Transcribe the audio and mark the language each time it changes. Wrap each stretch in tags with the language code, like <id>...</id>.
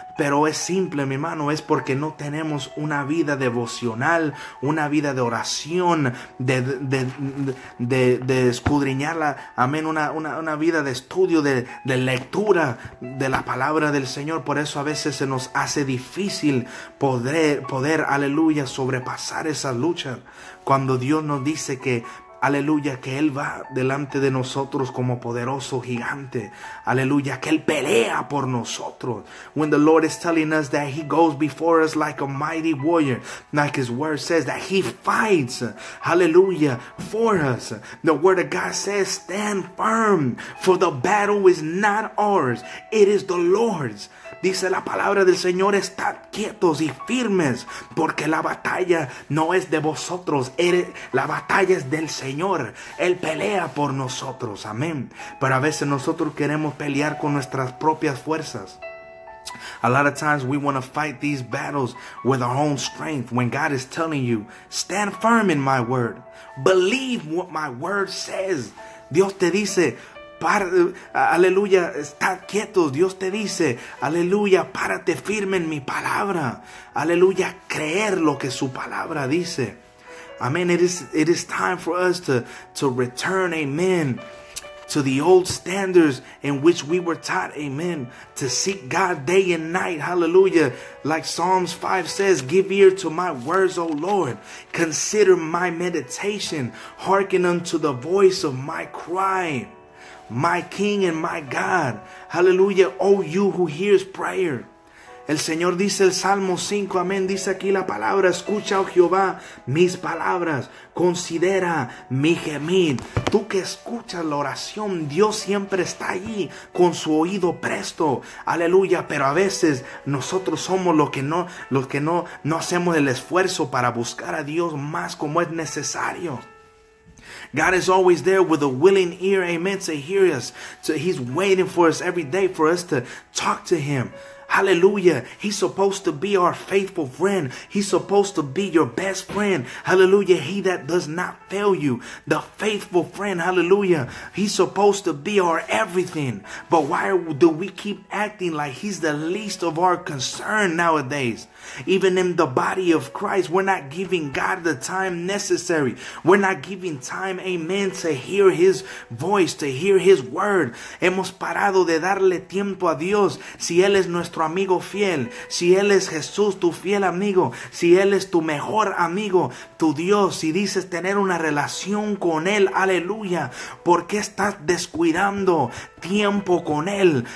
<es>Pero es simple, mi hermano, es porque no tenemos una vida devocional, una vida de oración, de escudriñarla, amén, una vida de estudio, de lectura de la palabra del Señor. Por eso a veces se nos hace difícil poder, aleluya, sobrepasar esa lucha. Cuando Dios nos dice que, aleluya, que Él va delante de nosotros como poderoso gigante. Aleluya, que Él pelea por nosotros.</es> <en>When the Lord is telling us that He goes before us like a mighty warrior, like His word says, that He fights, hallelujah, for us. The word of God says, stand firm, for the battle is not ours, it is the Lord's.</en> <es>Dice la palabra del Señor, estad quietos y firmes, porque la batalla no es de vosotros, la batalla es del Señor. Él pelea por nosotros, amén. Pero a veces nosotros queremos pelear con nuestras propias fuerzas.</es> <en>A lot of times we want to fight these battles with our own strength, when God is telling you, stand firm in my word, believe what my word says.</en> <es>Dios te dice, aleluya, estad quietos. Dios te dice, aleluya, párate firme en mi palabra. Aleluya, creer lo que su palabra dice. Amen.</es> <en>It is time for us to return, amen, to the old standards in which we were taught, amen, to seek God day and night. Hallelujah. Like Psalms 5 says, give ear to my words, O Lord. Consider my meditation. Hearken unto the voice of my cry. My King and my God, hallelujah, oh you who hears prayer.</en> <es>El Señor dice el Salmo 5, amén, dice aquí la palabra, escucha, oh Jehová, mis palabras, considera mi gemir. Tú que escuchas la oración, Dios siempre está allí con su oído presto, aleluya, pero a veces nosotros somos los que no hacemos el esfuerzo para buscar a Dios más como es necesario.</es> <en>God is always there with a willing ear, amen, to hear us. So he's waiting for us every day for us to talk to him. Hallelujah. He's supposed to be our faithful friend. He's supposed to be your best friend. Hallelujah. He that does not fail you. The faithful friend. Hallelujah. He's supposed to be our everything. But why do we keep acting like he's the least of our concern nowadays? Even in the body of Christ, we're not giving God the time necessary. We're not giving time, amen, to hear his voice, to hear his word.</en> <es>Hemos parado de darle tiempo a Dios. Si él es nuestro amigo fiel, si él es Jesús, tu fiel amigo, si él es tu mejor amigo, tu Dios, si dices tener una relación con él, aleluya, ¿por qué estás descuidando tiempo con él?</es>